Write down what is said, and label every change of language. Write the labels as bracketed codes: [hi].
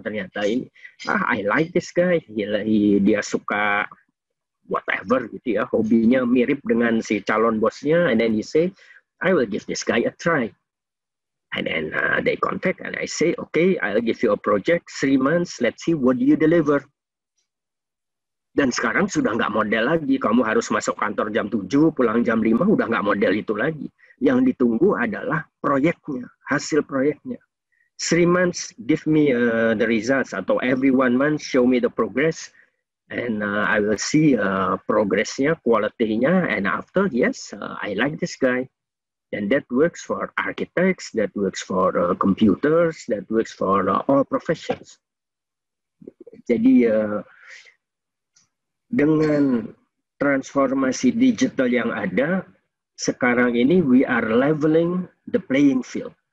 [id] Ternyata ini, [en] I like this guy, [id] dia suka [en] whatever [id] gitu ya, hobinya mirip dengan si calon bosnya, [en] and then he say, I will give this guy a try. And then they contact, and I say, okay, I'll give you a project, 3 months, let's see what do you deliver. [id] Dan sekarang sudah nggak model lagi. Kamu harus masuk kantor jam 7, pulang jam 5, udah nggak model itu lagi. Yang ditunggu adalah proyeknya, hasil proyeknya. [en] 3 months, give me the results. [id] Atau [en] every 1 month, show me the progress. And I will see progress-nya, quality-nya. And after, yes, I like this guy. And that works for architects, that works for computers, that works for all professions. [id] Jadi, dengan transformasi digital yang ada, sekarang ini [en] we are leveling the playing field.